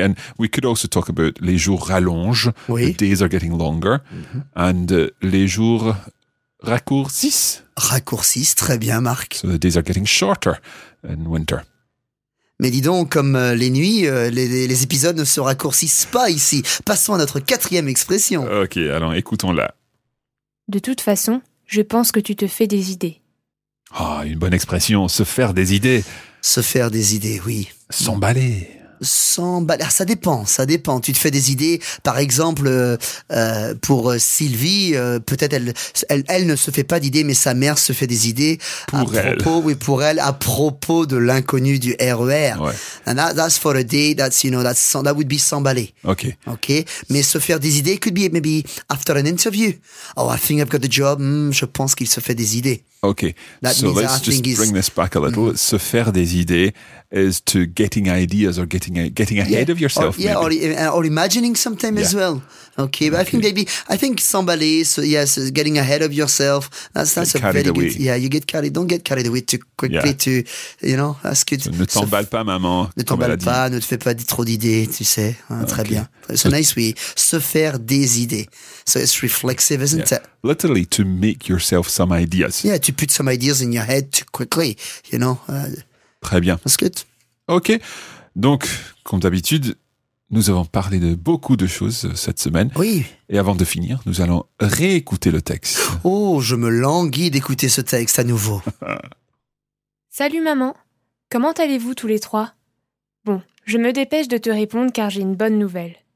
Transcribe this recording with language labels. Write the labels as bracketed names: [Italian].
[English] And we could also talk about [French] les jours rallongent. Oui. [English] The days are getting longer. Mm-hmm. And [French] les jours raccourcissent. Raccourcissent, très bien, Marc. [English] So the days are getting shorter in winter. [French] Mais dis donc, comme les nuits, les épisodes ne se raccourcissent pas ici. Passons à notre quatrième expression. Ok, alors écoutons-la. De toute façon, je pense que tu te fais des idées. Ah, oh, une bonne expression, se faire des idées. Se faire des idées, oui. S'emballer. S'emballer, ah, ça dépend. Tu te fais des idées, par exemple, pour Sylvie, peut-être elle ne se fait pas d'idées, mais sa mère se fait des idées. Pour elle. Pour elle, à propos de l'inconnu du RER. Ouais. [English] And that's for a day, that would be s'emballer. Okay. Okay. [French] Mais se faire des idées [English] could be maybe after an interview. Oh, I think I've got the job. [French] Je pense qu'il se fait des idées. [English] Okay. Let's just bring this back a little. Mm-hmm. Se faire des idées is to getting ideas or getting getting ahead of yourself. Or, yeah, or imagining sometime as well. Okay, but okay. I think getting ahead of yourself. That's a very good. Away. Yeah, you get carried. Don't get carried away too quickly. Yeah. To, you know, that's good. So, [French] ne t'emballe pas, maman. Ne t'emballe pas. Ne te fais pas trop d'idées. Tu sais. Okay. Très bien. [English] So nice. We se faire des idées. So it's reflexive, isn't it? Literally to make yourself some ideas. Yeah, to put some ideas in your head too quickly. You know. [French] Très bien. [English] That's good. [French] Ok, donc, comme d'habitude, nous avons parlé de beaucoup de choses cette semaine. Oui. Et avant de finir, nous allons réécouter le texte. Oh, je me languis d'écouter ce texte à nouveau. Salut maman, comment allez-vous tous les trois? Bon, je me dépêche de te répondre car j'ai une bonne nouvelle.